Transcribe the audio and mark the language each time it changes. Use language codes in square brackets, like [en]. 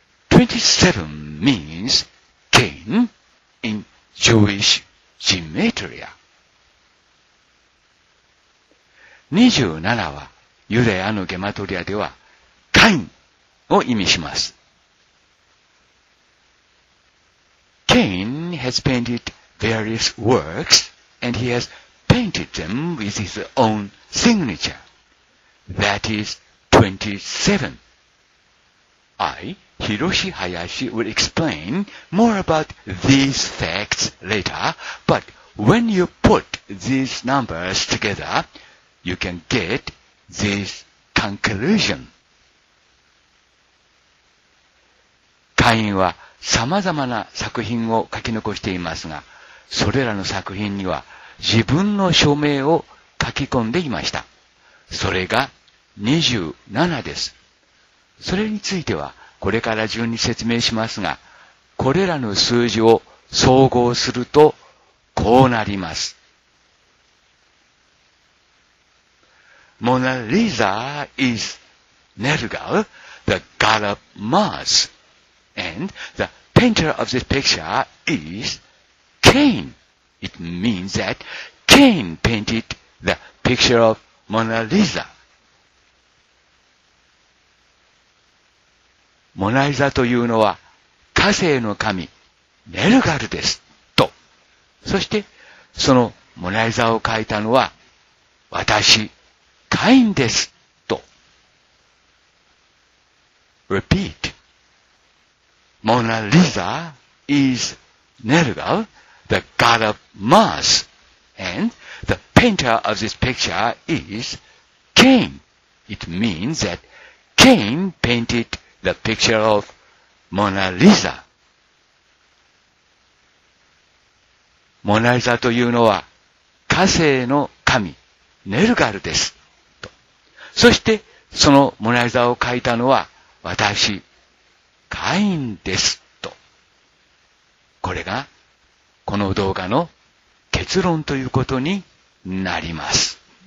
[en] 27 means king in Jewish gematria. [ja] 27はユダヤのゲマトリアではカインを意味します。 [en] Cain has painted various works and he has painted them with his own signature. That is 27. I, Hiroshi Hayashi, will explain more about these facts later, but when you put these numbers together, you can get this conclusion. [ja] Cainは様々な作品を書き残していますが、それらの作品には自分の署名を書き込んでいました。それが27です。それについてはこれから順に説明しますが、これらの数字を総合するとこうなります。 [en] モナリザ is Nergal, the god of Mars. And the painter of this picture is Cain. It means that Cain painted the picture of Mona Lisa. [ja] モナリザというのは火星の神、ネルガルです。と。そして、そのモナリザを描いたのは私、カインです。と。 [en] Repeat. Mona Lisa is Nergal, the god of Mars, and the painter of this picture is Cain. It means that Cain painted the picture of Mona Lisa. [ja] モナリザというのは火星の神、ネルガルです。と。そして、そのモナリザを描いたのは私、カインです。と。これが、この動画の結論ということになります。